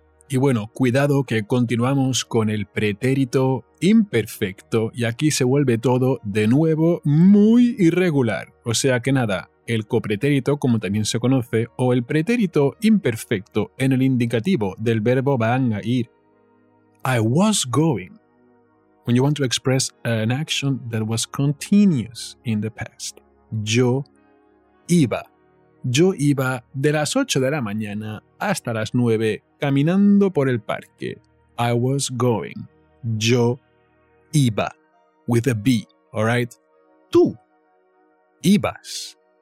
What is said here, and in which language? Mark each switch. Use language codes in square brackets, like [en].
[es] Y bueno, cuidado que continuamos con el pretérito imperfecto y aquí se vuelve todo de nuevo muy irregular. O sea que nada, el copretérito, como también se conoce, o el pretérito imperfecto en el indicativo del verbo van a ir. [en] I was going. When you want to express an action that was continuous in the past. [es] Yo iba. Yo iba de las 8 de la mañana hasta las 9 caminando por el parque. [en] I was going. [es] Yo iba. [en] With a B, alright? [es] Tú ibas.